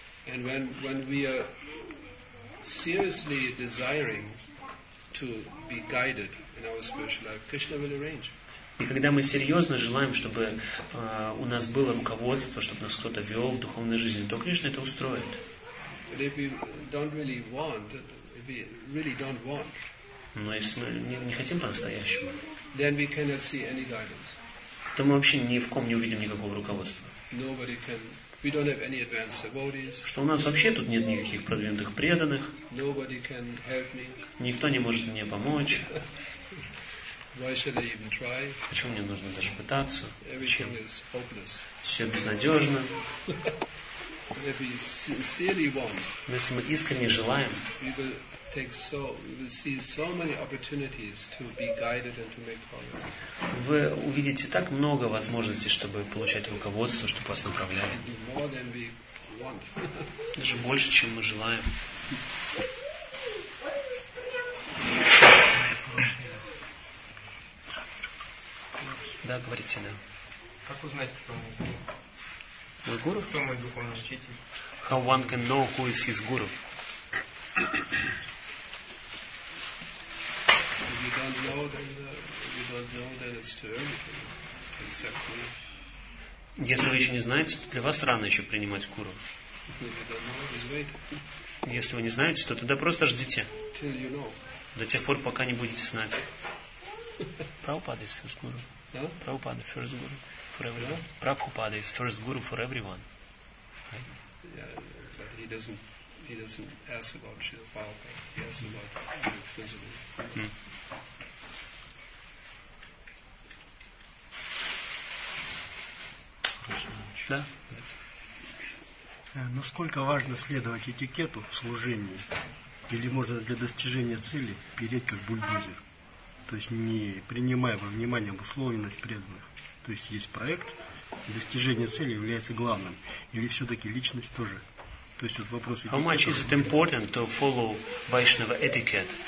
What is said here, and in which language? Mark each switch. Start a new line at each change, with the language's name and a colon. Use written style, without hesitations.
English: And when we are seriously desiring to be guided in our spiritual life, Krishna will arrange.
Russian: И когда мы серьезно желаем, чтобы у нас было руководство, чтобы нас кто-то вел в духовной жизни, то Кришна это устроит.
English: But if we don't really want, if we really don't want,
Russian: но если мы не хотим по-настоящему,
English: then we cannot see any guidance.
Russian: То мы вообще ни в ком не увидим никакого руководства.
English: Nobody can. We don't have any advanced devotees.
Russian: Что у нас вообще тут нет никаких продвинутых преданных?
English: Nobody can help me.
Russian: Никто не может мне помочь.
English: Why should I even try?
Russian: Почему мне нужно даже пытаться?
English: Everything is hopeless.
Russian: Все безнадежно.
English: If we sincerely want,
Russian: если мы искренне желаем,
English: we will take so we see so many opportunities to be guided and to make progress.
Russian: Вы увидите так много возможностей, чтобы получать руководство, чтобы вас направляли.
English: More than we want.
Russian: Даже больше, чем мы желаем. Да, говорите, да. Как узнать, кто мой гуру? Мой гуру? Кто мой духовный учитель?
English: How one can know who is his guru? If you don't know, then you don't know, then it's too early to accept guru.
Russian: Если вы еще не знаете, то для вас рано еще принимать гуру.
English: If you don't know, just wait.
Russian: Если вы не знаете, то тогда просто ждите.
English: Till you know.
Russian: До тех пор, пока не будете знать.
English: Prabhupada is first guru. Yeah? Prabhupada, first guru for everyone. Yeah? Prabhupada is first guru for everyone. Right? Yeah, but he doesn't ask about Srila Prabhupada. He asks about the physical.
Russian: Да? Насколько важно следовать этикету в служении? Или можно для достижения цели переть как бульдозер? То есть не принимая во внимание обусловленность преданных. То есть есть проект, достижение цели является главным. Или все-таки личность тоже. То есть вот вопрос...
English: How much is it important to follow Vaishnava etiquette?